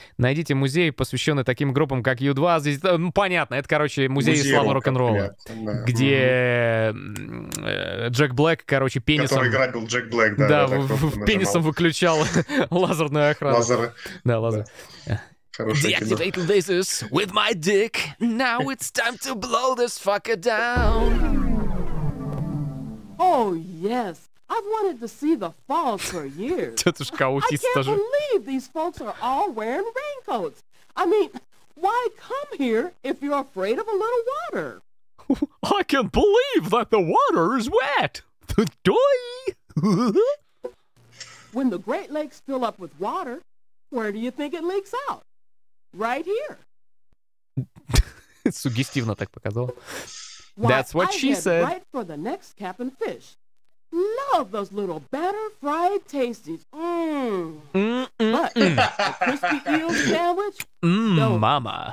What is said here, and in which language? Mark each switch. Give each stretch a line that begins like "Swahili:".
Russian: Найдите музей, посвященный таким группам, как U2. Здесь, ну, понятно, это, короче, музей славы рок-н-ролла. Нет, да. Где Джек Блэк, короче, пенисом... Который грабил Джек Блэк, да. Да, пенисом выключал лазерную охрану. Лазеры. Да, лазер. Да.
English: Deactivate lasers with my dick. Now it's time to blow this fucker down. Oh yes, I've wanted to see the falls for years.
Russian: Тетушка аутист тоже.
English: I can't believe these folks are all wearing raincoats. I mean, why come here if you're afraid of a little water? I can't believe that the water is wet. Doi. When the Great Lakes fill up with water, where do you think it leaks out? Right here.
Russian: Сугестивно так показал.
English: Why, that's what I she said. Right for the next Cap'n Fish. Love those little batter fried tasties. But a crispy eel sandwich? Mama.